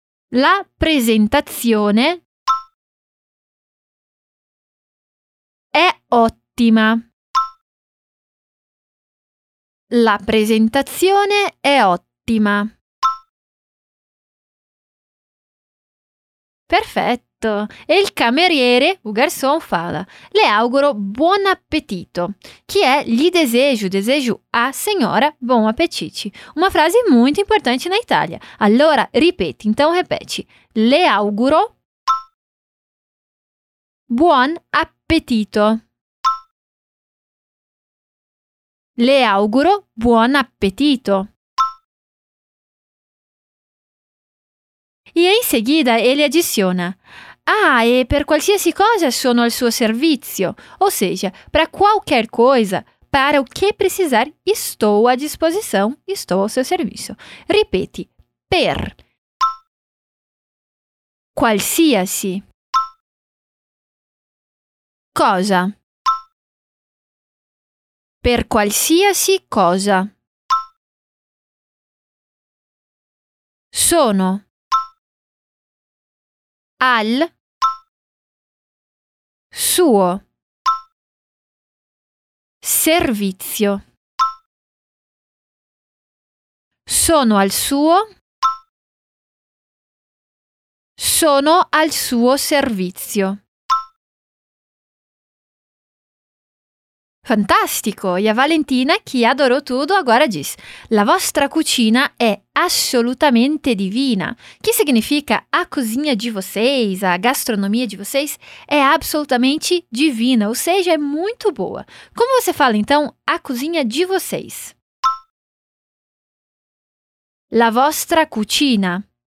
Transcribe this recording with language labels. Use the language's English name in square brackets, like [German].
[Italian] La presentazione è ottima. La presentazione è ottima. Perfetto. E il cameriere, [Portuguese] o garçon, fala. [Italian] Le auguro buon appetito. Che è gli [Portuguese] desejo, desejo a [Italian] signora buon appetito. Una frase molto importante in Italia. Allora, ripeti, [Portuguese] então repete. [Italian] Le auguro buon appetito. Le auguro buon appetito. [Portuguese] E in seguida ele adiciona, ah, [Italian] e per qualsiasi cosa sono al suo servizio, [Portuguese] ou seja, para qualquer coisa, para o que precisar, estou à disposição, estou ao seu serviço. [Italian] Ripeti, per qualsiasi cosa, per qualsiasi cosa, sono al suo servizio. Sono al suo. Sono al suo servizio. Fantastico! E a Valentina, che adorò tutto, [Portuguese] agora diz: [Italian] la vostra cucina è assolutamente divina. Che significa [Portuguese] a cozinha de vocês, a gastronomia de vocês [Italian] è assolutamente divina, [Portuguese] ou seja, è molto boa. Come você fala então a cozinha de vocês? [Italian] La vostra cucina.